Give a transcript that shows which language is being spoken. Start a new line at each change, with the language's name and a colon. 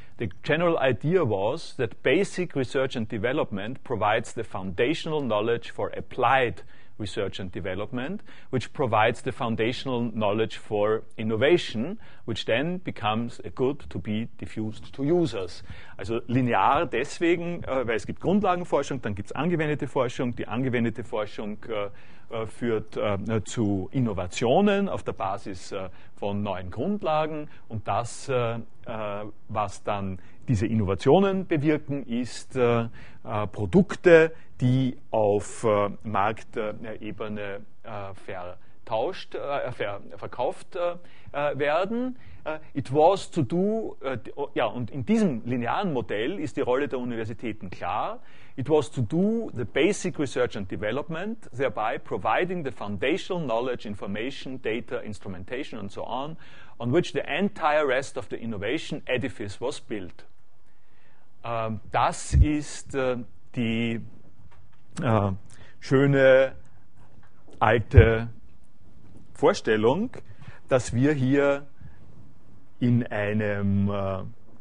English: The general idea was that basic research and development provides the foundational knowledge for applied research and development, which provides the foundational knowledge for innovation, which then becomes a good to be diffused to users.
German: Also linear deswegen, weil es gibt Grundlagenforschung, dann gibt es angewendete Forschung. Die angewendete Forschung führt zu Innovationen auf der Basis von neuen Grundlagen. Und das, was dann diese Innovationen bewirken, ist Produkte, die auf Marktebene verkauft werden. Und in diesem linearen Modell ist die Rolle der Universitäten klar.
English: It was to do the basic research and development, thereby providing the foundational knowledge, information, data, instrumentation and so on which the entire rest of the innovation edifice was built.
German: Das ist die schöne alte Vorstellung, dass wir hier in einem